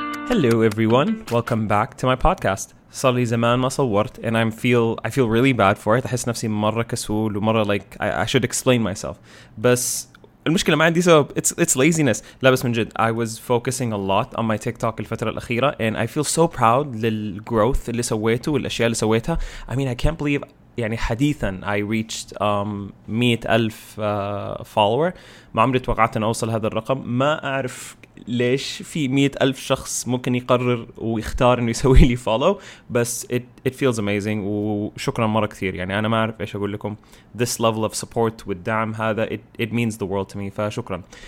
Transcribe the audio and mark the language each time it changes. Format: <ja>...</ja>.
<en>Hello everyone, welcome back to my podcast.</en> <ar>صلي زمان ما صورت,</ar> <en>and I feel really bad for it.</en> <ar>أحس نفسي مرة كسول ومرة</ar> <en>like I should explain myself.</en> <ar>بس المشكلة ما عندي سبب.</ar> <en>It's laziness.</en> <ar>لا بس من جد,</ar> <en>I was focusing a lot on my TikTok</en> <ar>الفترة الأخيرة,</ar> <en>and I feel so proud</en> <ar>للgrowth اللي سويته والأشياء اللي سويتها.</ar> <en>I mean, I can't believe</en> <ar>يعني حديثا</ar> <en>I reached 100,000 follower.</en> <ar>ما عمري توقعت أن أوصل هذا الرقم. ما أعرف ليش في 100,000 شخص ممكن يقرر ويختار انه يسوي لي فولو, بس</ar> <en>it feels amazing</en> <ar>وشكرا مره كثير. يعني انا ما اعرف ايش اقول لكم,</ar> <en>this level of support</en> <ar>والدعم هذا</ar> <en>it means the world to me,</en> <ar>فشكرا.</ar>